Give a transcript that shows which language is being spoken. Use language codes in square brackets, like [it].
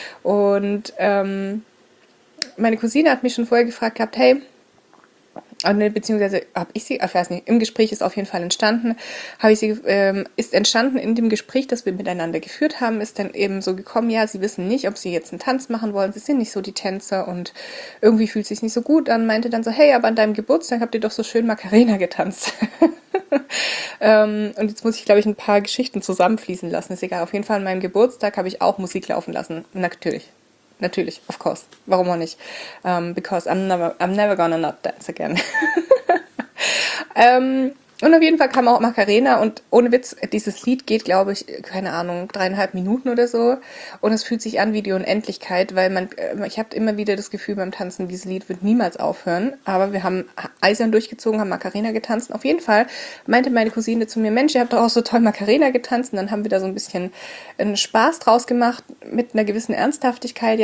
[de] Und meine Cousine hat mich schon vorher gefragt gehabt, hey, beziehungsweise habe ich sie, ich weiß nicht, im Gespräch ist auf jeden Fall entstanden, habe ich sie, ist entstanden in dem Gespräch, das wir miteinander geführt haben, ist dann eben so gekommen, ja, sie wissen nicht, ob sie jetzt einen Tanz machen wollen, sie sind nicht so die Tänzer und irgendwie fühlt es sich nicht so gut an, meinte dann so, hey, aber an deinem Geburtstag habt ihr doch so schön Macarena getanzt. und jetzt muss ich, glaube ich, ein paar Geschichten zusammenfließen lassen, ist egal, auf jeden Fall an meinem Geburtstag habe ich auch Musik laufen lassen, natürlich. Natürlich, [en] of course. [de] Warum auch nicht? [en] Because I'm never gonna not dance again. [de] und auf jeden Fall kam auch Macarena, und ohne Witz, dieses Lied geht, glaube ich, keine Ahnung, 3,5 Minuten oder so. Und es fühlt sich an wie die Unendlichkeit, weil ich habe immer wieder das Gefühl beim Tanzen, dieses Lied wird niemals aufhören. Aber wir haben eisern durchgezogen, haben Macarena getanzt. Und auf jeden Fall meinte meine Cousine zu mir, Mensch, ihr habt doch auch so toll Macarena getanzt. Und dann haben wir da so ein bisschen einen Spaß draus gemacht mit einer gewissen Ernsthaftigkeit.